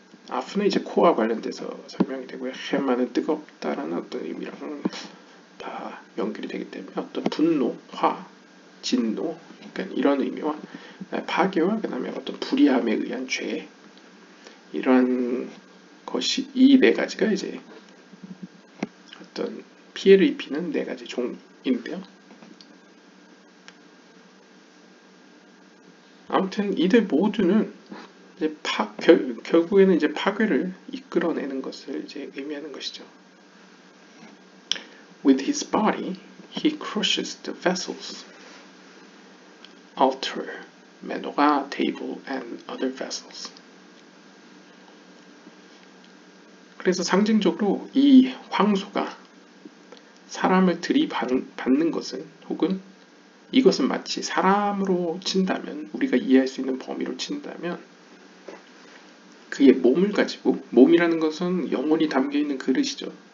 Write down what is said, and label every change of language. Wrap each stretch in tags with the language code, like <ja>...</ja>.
<ko>아후는 이제 코와 관련돼서 설명이 되고요. 헤마는 뜨겁다라는 어떤 의미랑 다 연결이 되기 때문에 어떤 분노, 화, 진노, 그러니까 이런 의미와 파괴와 그 다음에 어떤 불의함에 의한 죄, 이러한 것이 이 네 가지가 이제 어떤 피해를 입히는 네 가지 종류인데요. 아무튼 이들 모두는 이제 결국에는 이제 파괴를 이끌어내는 것을 이제 의미하는 것이죠.</ko> <en>With his body, he crushes the vessels, altar, menorah, table, and other vessels.</en> <ko>그래서 상징적으로 이 황소가 사람을 들이받는 것은 혹은 이것은 마치 사람으로 친다면 우리가 이해할 수 있는 범위로 친다면 그의 몸을 가지고 몸이라는 것은 영혼이 담겨있는 그릇이죠.</ko>